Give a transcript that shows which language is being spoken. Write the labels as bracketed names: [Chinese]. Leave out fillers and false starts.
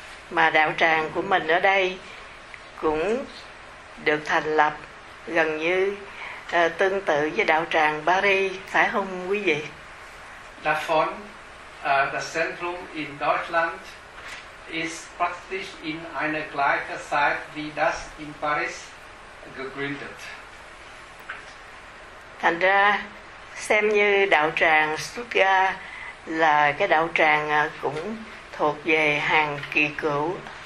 [Vietnamese] Mà đạo tràng của mình ở đây cũng được thành lập gần như tương tự với đạo tràng Paris, phải không quý vị? [German] Davon, das Zentrum in Deutschland ist praktisch in einer gleichen Zeit wie das in Paris gegründet. [Vietnamese] Thành ra, xem như đạo tràng Stuttgart là cái đạo tràng cũng thuộc về hàng kỳ cựu.